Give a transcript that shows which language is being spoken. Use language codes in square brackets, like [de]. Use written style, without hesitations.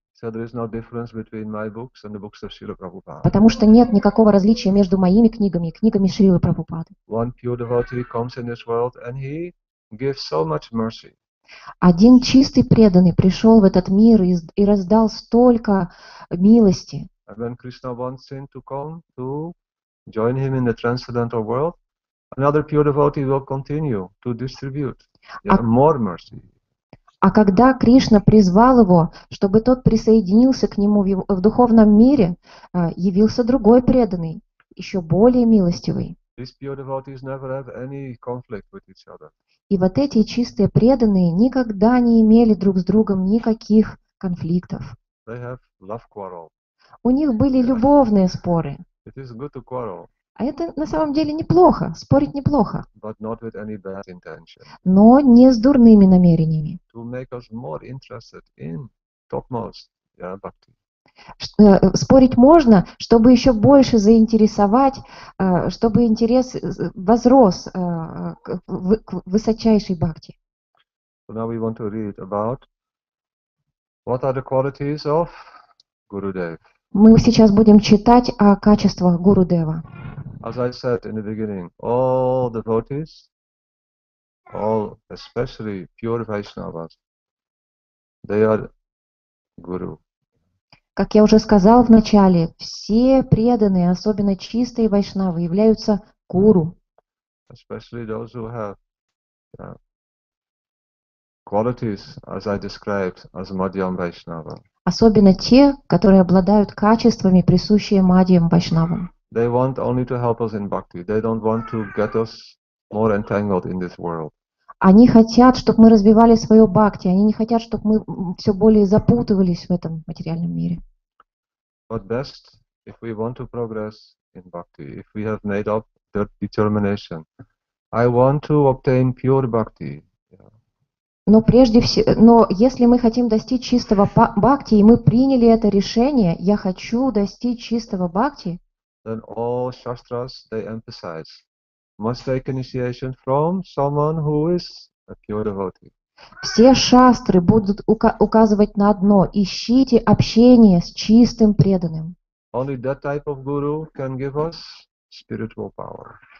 [en] So there is no difference between my books and the books of Srila Prabhupada. [ru] Потому что нет никакого различия между моими книгами и книгами Шрилы Прабхупады. [en] One pure devotee comes in this world and he gives so much mercy. [ru] Один чистый преданный пришел в этот мир и раздал столько милости. [en] And when Krishna wants him to come to join him in the transcendental world, another pure devotee will continue to distribute more mercy. [ru] А когда Кришна призвал его, чтобы тот присоединился к нему в духовном мире, явился другой преданный, еще более милостивый. [en] These pure devotees never have any conflict with each other. [ru] И вот эти чистые преданные никогда не имели друг с другом никаких конфликтов. [en] They have love quarrel. [ru] У них были любовные споры. [en] It is good to quarrel. [ru] А это на самом деле неплохо, спорить неплохо. [en] But not with any bad intention. [ru] Но не с дурными намерениями. [en] To make us more interested in topmost, bhakti. [ru] Спорить можно, чтобы еще больше заинтересовать, чтобы интерес возрос к высочайшей бхакти. [en] So now we want to read about what are the qualities of Gurudev. [ru] Мы сейчас будем читать о качествах Гуру Дева. [en] As I said in the beginning, all devotees, all especially pure Vaishnavas, they are guru. [ru] Как я уже сказал в начале, все преданные, особенно чистые вайшнавы, являются гуру. [en] Especially those who have qualities, as I described, as Madhyam Vaishnava. [ru] Особенно те, которые обладают качествами, присущими Мадхьям Вайшнавам. [en] They want only to help us in bhakti. They don't want to get us more entangled in this world. [ru] Они хотят, чтобы мы развивали свою бхакти. Они не хотят, чтобы мы все более запутывались в этом материальном мире. [en] But best, if we want to progress in bhakti, if we have made up the determination, I want to obtain pure bhakti. [ru] Но прежде всего, но если мы хотим достичь чистого бхакти, и мы приняли это решение, я хочу достичь чистого бхакти, [en] then all shastras, they emphasize, must take initiation from someone who is a pure devotee. [ru] Все шастры будут указывать на одно: ищите общение с чистым преданным. [en] Only that type of guru can give us spiritual power.